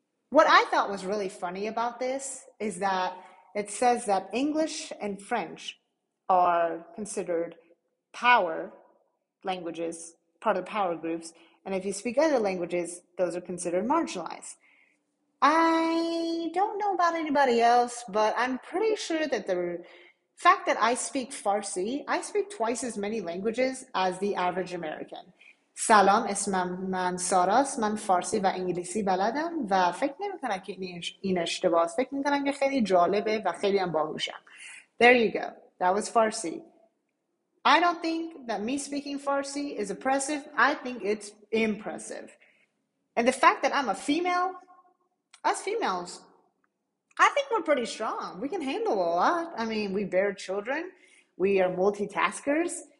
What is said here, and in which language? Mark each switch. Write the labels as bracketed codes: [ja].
[en] What I thought was really funny about this is that it says that English and French are considered power languages, part of power groups, and if you speak other languages, those are considered marginalized. I don't know about anybody else, but I'm pretty sure that the fact that I speak Farsi, I speak twice as many languages as the average American. [fa] سلام اسمم من ساراست من فارسی و انگلیسی بلدم و فکر نمی کنم که این اشتباه فکر می کنم که خیلی جالبه و خیلی هم باهوشم. [en] There you go. That was Farsi. I don't think that me speaking Farsi is oppressive. I think it's impressive. And the fact that I'm a female, us females, I think we're pretty strong. We can handle a lot. I mean, we bear children. We are multitaskers.